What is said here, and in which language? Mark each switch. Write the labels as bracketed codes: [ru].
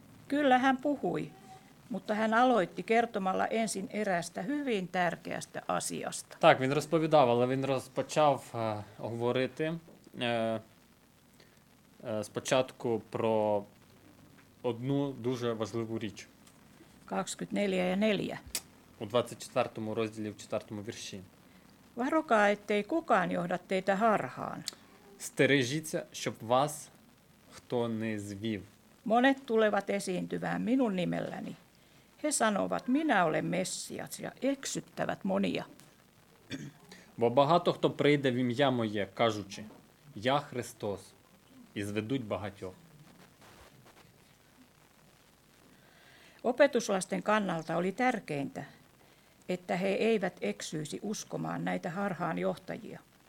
[fi] Kyllä hän puhui, mutta hän aloitti kertomalla ensin eräästä hyvin tärkeästä asiasta. [uk] Так, він розповідав, але він розпочав говорити спочатку про одну дуже важливу річ. [fi] 24 ja 4. [uk] У 24 розділі, в 4 вірші. [fi] Varokaa, ettei kukaan johda teitä harhaan. [uk] Стережіться, щоб вас хто не звів. [fi] Monet tulevat esiintymään minun nimelläni. He sanovat, minä olen Messias, ja eksyttävät monia. [uk] Бо багато хто прийде в ім'я моє, кажучи, я Христос, і зведуть багатьох. [fi] Opetuslasten kannalta oli tärkeintä, että he eivät eksyisi uskomaan näitä harhaan johtajia.